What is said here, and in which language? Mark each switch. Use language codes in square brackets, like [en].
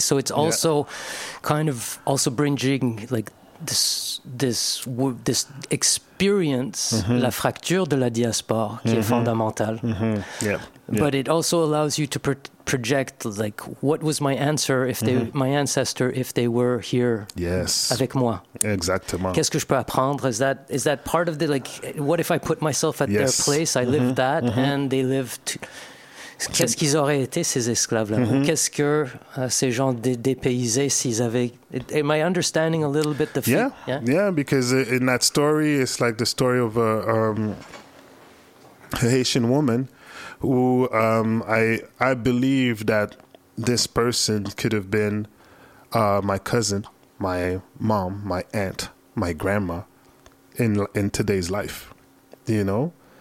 [en] So it's also kind of also bringing like this experience, [fr] la fracture de la diaspora, qui est fondamentale. [en] But it also allows you to project like, what was my answer if they were here [fr] avec moi? Exactement. Qu'est-ce que je peux apprendre? [en] Is that part of the, like, what if I put myself at their place? I lived that and they lived. [fr] Qu'est-ce qu'ils auraient été, ces esclaves-là? Qu'est-ce que ces gens dépaysés s'ils avaient... [en] Am I understanding a little bit the fact? Yeah, because in that story, it's like the story of a Haitian woman who I believe that this person could have been my cousin, my mom, my aunt, my grandma in today's life, you know?